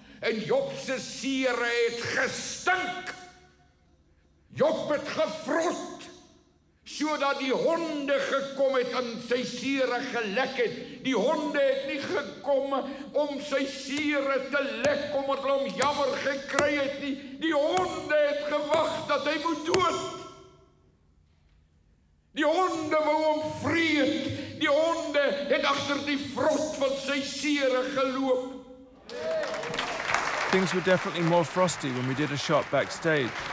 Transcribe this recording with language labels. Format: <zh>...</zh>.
<af>En Job se sere het gestink. Job het gefrot, sodat die honde gekom het en sy sere gelek het. Die honde het nie gekom om sy sere te lek, omdat hulle hom jammer gekry het nie. Die honde het gewag dat hy moet dood. Die honde wou hom vreet. Die honde het agter die vrot van sy sere geloop.</af> <en>Things were definitely more frosty when we did a shot backstage.</en>